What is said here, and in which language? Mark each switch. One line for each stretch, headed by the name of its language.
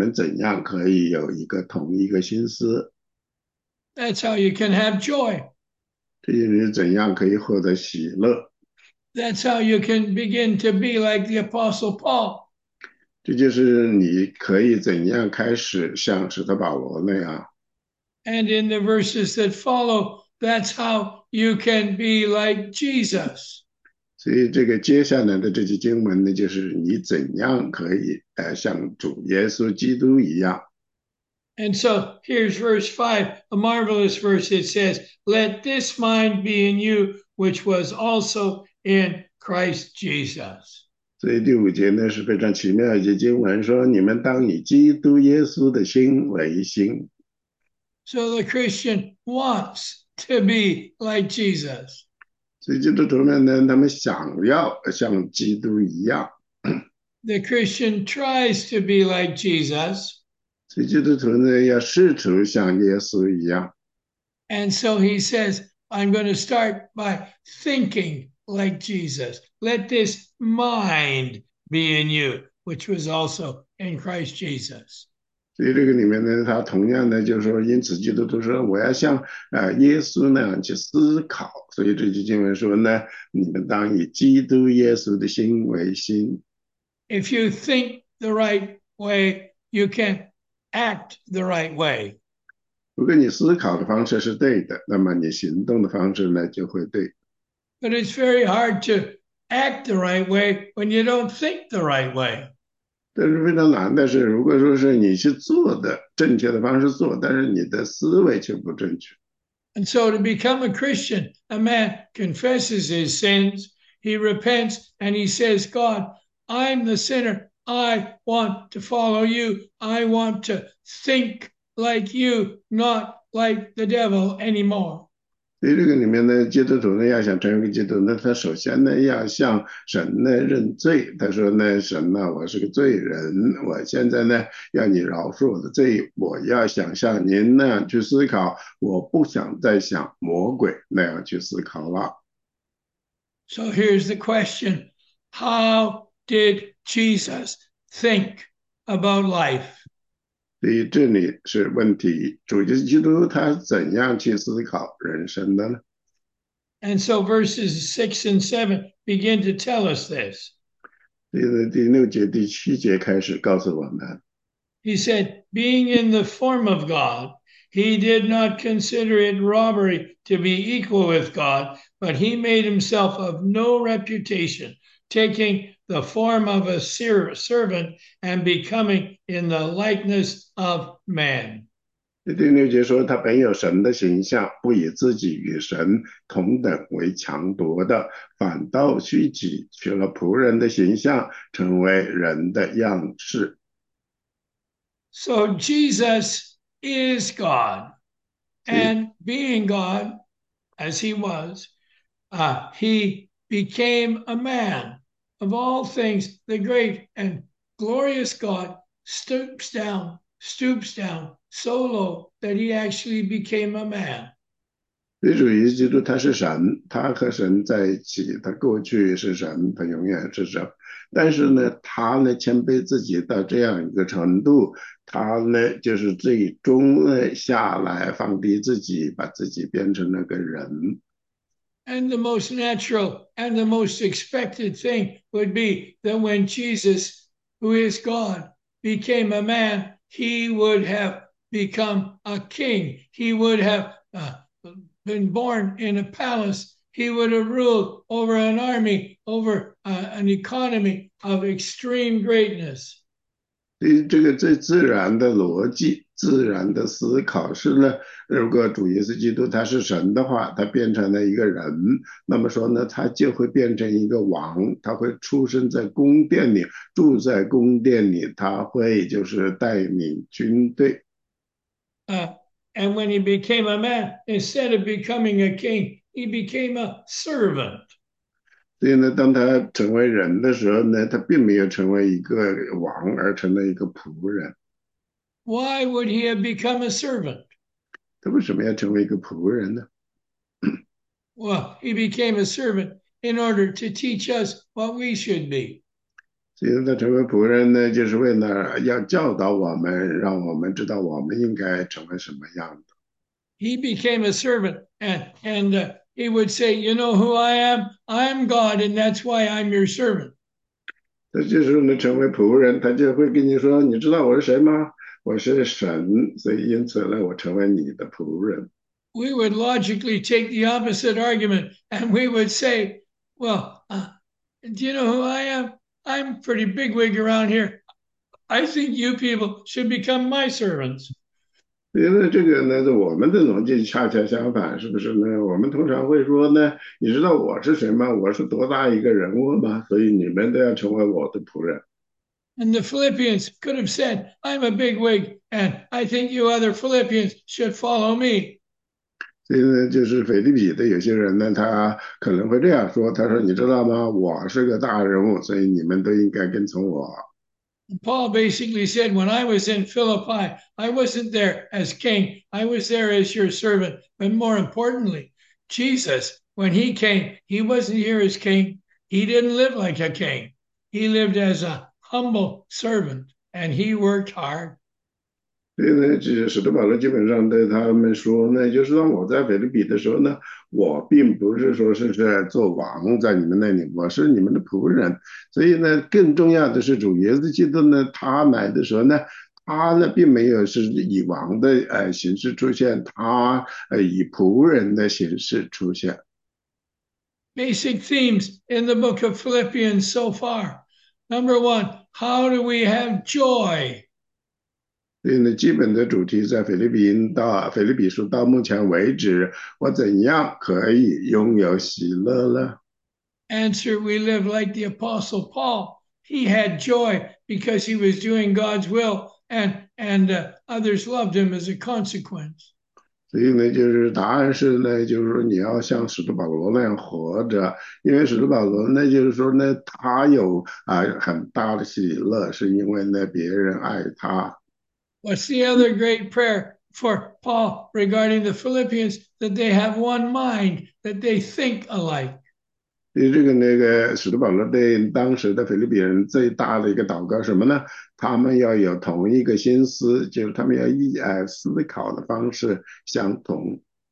Chinese: 所以呢，第四节说呢，个人不要单顾自己的事，也要照顾别人的事儿。这就是你们怎样可以有一个同一个心思。
English: That's how you can have joy.
Chinese: 这就是怎样可以获得喜乐。
English: That's how you can begin to be like the Apostle Paul.
Chinese: 这就是你可以怎样开始像使徒保罗那样。
English: And in the verses that follow, that's how you can be like Jesus.
Chinese: 所以这个接下来的这些经文呢，就是你怎样可以像主耶稣基督一样。
English: And so here's verse 5, a marvelous verse. It says, let this mind be in you, which was also in Christ Jesus.
Chinese: 所以第五节呢是非常奇妙一节经文，说你们当以基督耶稣的心为心。
English: So the Christian wants to be like Jesus.
Chinese: 所以基督徒们呢，他们想要像基督一样。
English: The Christian tries to be like Jesus.
Chinese: 所以基督徒呢，要试图像耶稣一样。
English: And so he says, I'm going to start by thinking like Jesus. Let this mind be in you, which was also in Christ Jesus.
Chinese: 所以这个里面呢，他同样的就是说，因此基督徒说，我要像耶稣那样去思考。所以这句经文说呢，你们当以基督耶稣的心为心。
English: If you think the right way, you can act the right way.
Chinese: 如果你思考的方式是对的，那么你行动的方式呢就会对。
English: But it's very hard to act the right way when you don't think the right way.
Chinese: 但是非常难的是，如果说是你去做的正确的方式做，但是你的思维却不正确。
English: And so to become a Christian, a man confesses his sins, he repents, and he says, God, I'm the sinner. I want to follow you. I want to think like you, not like the devil anymore.
Chinese: 所以这个里面呢，基督徒呢要想成为基督呢，那他首先呢要向神呢认罪。他说呢：“神呐、啊，我是个罪人，我现在呢要你饶恕我的罪，我要想像您那样去思考，我不想再像魔鬼那样去思考了。
English: So here's the question. How did Jesus think about life?
Chinese: ”所以这里是问题，主耶稣基督他怎样去思考人生的呢？
English: And so verses 6 and 7 begin to tell us this.
Chinese: 第六节、第七节开始告诉我们。
English: He said, being in the form of God, he did not consider it robbery to be equal with God, but he made himself of no reputation, taking the form of a servant and becoming in the likeness of man.
Chinese: 第6节说，他本有神的形象，不以自己与神同等为强夺的，反倒虚己，取了仆人的形象，成为人的样式。
English: So Jesus is God, and being God, as he was, he became a man. Of all things, the great and glorious God stoops down so low that he actually became a man.
Chinese: 所以主耶稣基督他是神，他和神在一起，他过去是神，他永远是神。但是呢，他呢谦卑自己到这样一个程度，他呢就是最终呢下来放低自己，把自己变成了个人。
English: And the most natural and the most expected thing would be that when Jesus, who is God, became a man, he would have become a king. He would have been born in a palace. He would have ruled over an army, over an economy of extreme greatness.
Chinese: 对这个最自然的逻辑、自然的思考是呢，如果主耶稣基督他是神的话，他变成了一个人，那么说呢，他就会变成一个王，他会出生在宫殿里，住在宫殿里，他会就是带领军队。
English: And when he became a man, instead of becoming a king, he became a servant.
Chinese: 所以呢，当他成为人的时候呢，他并没有成为一个王，而成了一个仆人。
English: Why would he have become a servant?
Chinese: 他为什么要成为一个仆人呢？
English: Well, he became a servant in order to teach us what we should be.
Chinese: 所以他成为仆人呢，就是为了要教导我们，让我们知道我们应该成为什么样的。
English: He became a servant, and he would say, "You know who I am? I'm God, and that's why I'm your servant."
Chinese: 他就是能成为仆人，他就会跟你说：“你知道我是谁吗？我是神，所以因此呢，我成为你的仆人。
English: We would logically take the opposite argument, and we would say, "Well, do you know who I am? I'm pretty bigwig around here. I think you people should become my servants."
Chinese: 因为这个呢，我们的逻辑恰恰相反，是不是呢？我们通常会说呢，你知道我是谁吗？我是多大一个人物吗？所以你们都要成为我的仆人。
English: And the Philippians could have said, I'm a bigwig, and I think you other Philippians should follow me.
Chinese: 所以呢，就是腓立比的有些人呢，他可能会这样说，他说：“你知道吗？我是个大人物，所以你们都应该跟从我。 ”
English: Paul basically said, When I was in Philippi, I wasn't there as king, I was there as your servant. But more importantly, Jesus, when he came, he wasn't here as king. He didn't live like a king, he lived as a humble servant, and he worked hard.
Chinese: 所以呢，这使徒保罗基本上对他们说呢，就是当我在腓立比的时候呢，我并不是说是在做王在你们那里，我是你们的仆人。所以呢，更重要的是主耶稣基督呢，他来的时候呢，他呢并没有是以王的形式出现，他以仆人的形式出现。
English: Basic themes in the book of Philippians so far. Number one, how do we have joy?
Chinese: 所以呢，基本的主题在腓立比书到目前为止，我怎样可以拥有喜乐呢？
English: Answer, we live like the Apostle Paul. He had joy because he was doing God's will, and others loved him as a consequence.
Chinese: 所以呢，就是答案是呢，就是说你要像使徒保罗那样活着，因为使徒保罗呢，就是说呢，他有很大的喜乐，是因为呢别人爱他。
English: What's the other great prayer for Paul regarding the Philippians? That they have one mind, that they think alike.
Chinese: 对这个那个使徒保罗对当时的腓立比人最大的一个祷告什么呢？他们要有同一个心思，就是他们要思考的方式相同。